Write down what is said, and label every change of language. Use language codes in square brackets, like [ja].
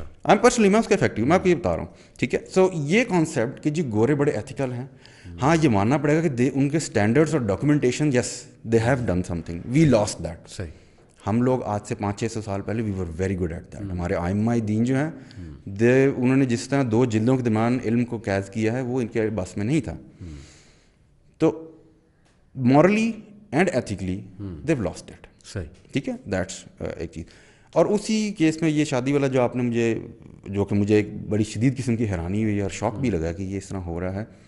[en] I am personally, [ur] میں اس کا effective میں آپ کو یہ بتا رہا ہوں، ٹھیک ہے. سو یہ کانسیپٹ کہ جی گورے بڑے ایتھیکل ہیں، ہاں یہ ماننا پڑے گا کہ ان کے اسٹینڈرڈس اور documentation, [en] Yes they have done something, we lost that. [ur] صحیح. ہم لوگ آج سے 500-600 سال پہلے [en] We were very good at that. [ur] ہمارے آئمہ دین جو ہیں دے، انہوں نے جس طرح 2 جلدوں کے درمیان علم کو قید کیا ہے وہ ان کے بس میں نہیں تھا. [en] تو morally and ethically they have lost it. [ur] صحیح، ٹھیک ہے، دیٹس ایک چیز. اور اسی کیس میں یہ شادی والا جو آپ نے مجھے، جو کہ مجھے ایک بڑی شدید قسم کی حیرانی ہوئی اور شاک بھی لگا کہ یہ اس طرح ہو رہا ہے.